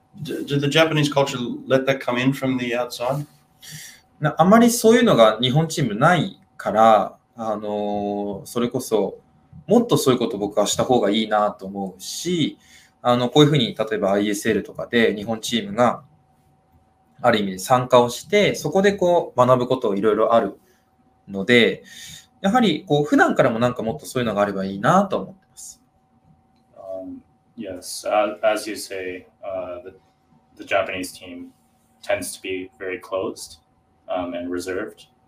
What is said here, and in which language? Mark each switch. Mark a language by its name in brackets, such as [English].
[English] Did the Japanese culture let that come in from the outside? [Japanese] あまりそういうのが日本チームないから、それこそもっとそういうこと僕はした方がいいなと思うし、こういうふうに例えば ISL とかで日本チームがある意味で参加をして、そこでこう学ぶこといろいろあるので、やはりこう普段からもなんかもっとそういうのがあればいいなと思ってます。 [English] Yes, as you say, the Japanese team tends to be very closed and reserved.